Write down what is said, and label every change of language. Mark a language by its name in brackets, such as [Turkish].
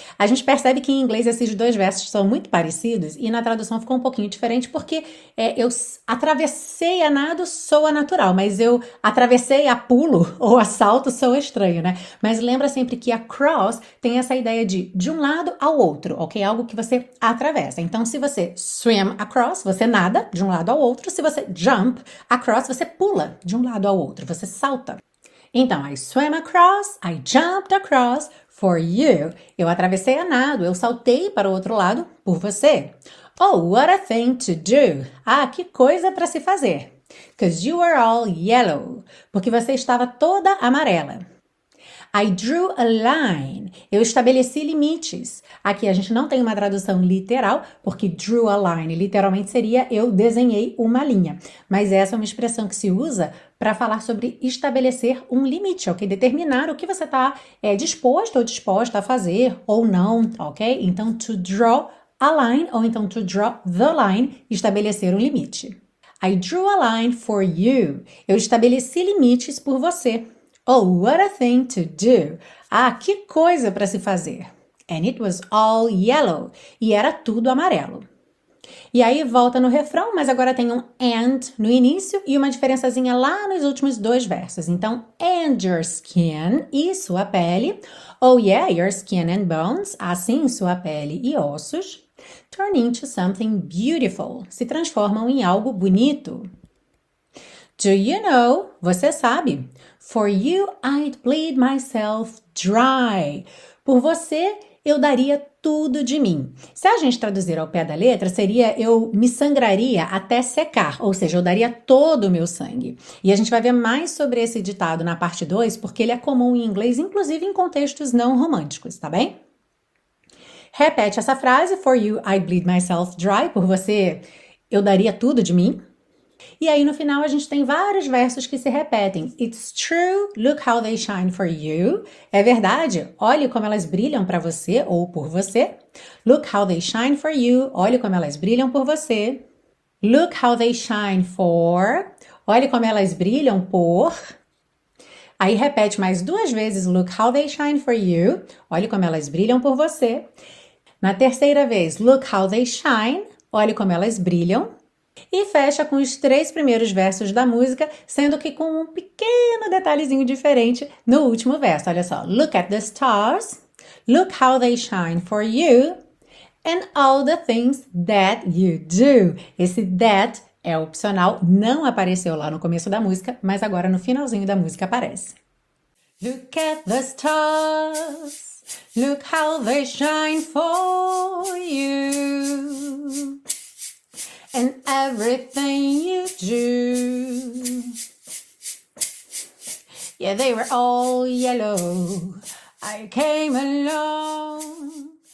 [Portuguese] A gente percebe que em inglês esses dois versos são muito parecidos e na tradução ficou um pouquinho diferente porque eu atravessei a nado soa natural, mas eu atravessei a pulo ou a salto soa estranho, né? Mas lembra sempre que across tem essa ideia de um lado ao outro, ok? Algo que você atravessa. Então, se você [English] swim across, [Portuguese] você nada de um lado ao outro. Se você jump across, você pula de um lado ao outro, você salta. [English] Então, I swam across, I jumped across for you. [Portuguese] Eu atravessei a nado, eu saltei para o outro lado por você. [English] Oh, what a thing to do! [Portuguese] Ah, que coisa para se fazer! [English] 'Cause you were all yellow. [Portuguese] Porque você estava toda amarela. [English] I drew a line. [Portuguese] Eu estabeleci limites. Aqui a gente não tem uma tradução literal, porque [English] drew a line [Portuguese] literalmente seria eu desenhei uma linha. Mas essa é uma expressão que se usa para falar sobre estabelecer um limite, ok? Determinar o que você está disposto ou disposta a fazer ou não, ok? Então, [English] to draw a line [Portuguese] ou então [English] to draw the line, [Portuguese] estabelecer um limite. [English] I drew a line for you. [Portuguese] Eu estabeleci limites por você. [English] Oh, what a thing to do! [Portuguese] Ah, que coisa para se fazer! [English] And it was all yellow. [Portuguese] E era tudo amarelo. E aí volta no refrão, mas agora tem um and no início e uma diferençazinha lá nos últimos dois versos. Então, [English] and your skin, [Portuguese] e sua pele. [English] Oh, yeah, your skin and bones, [Portuguese] assim sua pele e ossos, [English] turn into something beautiful. [Portuguese] Se transformam em algo bonito. [English] Do you know? [Portuguese] Você sabe. [English] For you, I'd bleed myself dry. [Portuguese] Por você, eu daria tudo de mim. Se a gente traduzir ao pé da letra, seria eu me sangraria até secar, ou seja, eu daria todo o meu sangue. E a gente vai ver mais sobre esse ditado na parte 2, porque ele é comum em inglês, inclusive em contextos não românticos, tá bem? Repete essa frase: [English] For you, I'd bleed myself dry. [Portuguese] Por você, eu daria tudo de mim. E aí no final a gente tem vários versos que se repetem. [English] It's true, look how they shine for you. [Portuguese] É verdade, olhe como elas brilham para você ou por você. [English] Look how they shine for you. [Portuguese] Olhe como elas brilham por você. [English] Look how they shine for. [Portuguese] Olhe como elas brilham por. Aí repete mais duas vezes. [English] Look how they shine for you. [Portuguese] Olhe como elas brilham por você. Na terceira vez, [English] look how they shine. [Portuguese] Olhe como elas brilham. E fecha com os três primeiros versos da música, sendo que com um pequeno detalhezinho diferente no último verso. Olha só: [English] Look at the stars, look how they shine for you, and all the things that you do. [Portuguese] Esse that é opcional, não apareceu lá no começo da música, mas agora no finalzinho da música aparece. [English] Look at the stars. Look how they shine for you in everything you do. Yeah, they were all yellow. I came along.